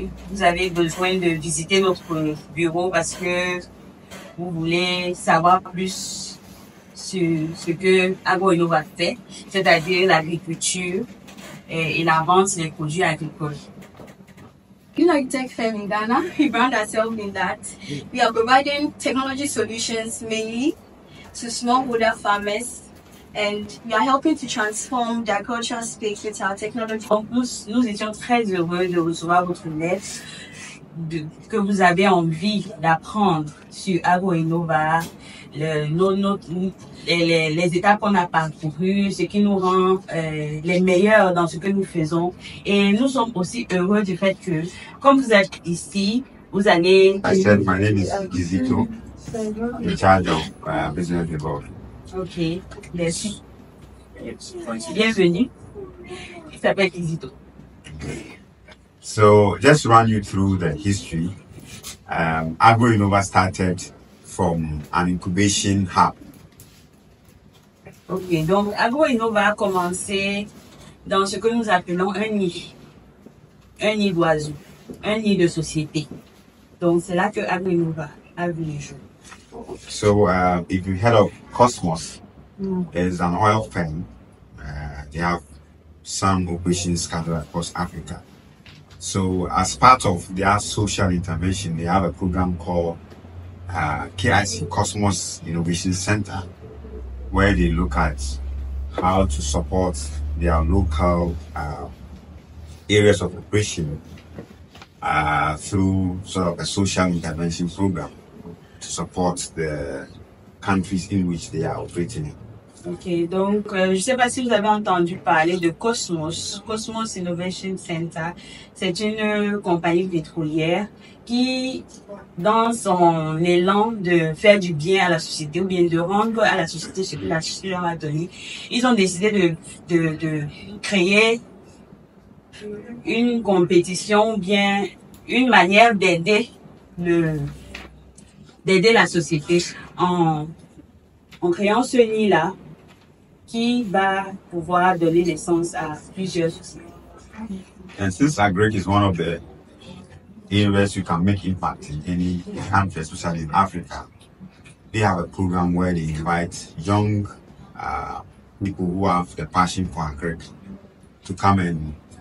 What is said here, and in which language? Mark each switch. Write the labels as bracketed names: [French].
[French] Vous avez besoin de visiter notre bureau parce que vous voulez savoir plus sur ce que AgroInnova fait, c'est-à-dire l'agriculture et la vente des produits agricoles. [English] You know, tech firm in Ghana, we brand ourselves in that. We are providing technology solutions mainly to smallholder farmers. And we are helping to transform the agricultural space with our technology. [French] En plus, nous étions très heureux de recevoir votre lettre, que vous avez envie d'apprendre sur AgroInnova, les étapes qu'on a parcourues, ce qui nous rend les meilleurs dans ce que nous faisons. Et nous sommes aussi heureux du fait que, comme vous êtes ici, vous allez. [English] I said, my name is Gizito, in charge of business development. [French] Ok, merci. Bienvenue. Il s'appelle Kizito. Okay. [English] So, just run you through the history. AgroInnova started from an incubation hub. [French] Ok, donc AgroInnova a commencé dans ce que nous appelons un nid d'oiseau, un nid de société. Donc, c'est là que AgroInnova a vu le jour. [English] So, if you heard of Cosmos, there's an oil firm. They have some operations scattered across Africa. So, as part of their social intervention, they have a program called KIC, Cosmos Innovation Center, where they look at how to support their local areas of operation through sort of a social intervention program. To support the countries in which they are operating. [French] Okay, donc je ne sais pas si vous avez entendu parler de Cosmos. Cosmos Innovation Center, c'est une compagnie pétrolière qui, dans son élan de faire du bien à la société ou bien de rendre à la société ce que la société leur a donné, ils ont décidé de créer une compétition ou bien une manière d'aider la société en créant ce nid-là qui va pouvoir donner naissance à plusieurs sociétés. [English] And since agric is one of the areas you can make impact in any country, especially in Africa, they have a program where they invite young people who have the passion for agric to come and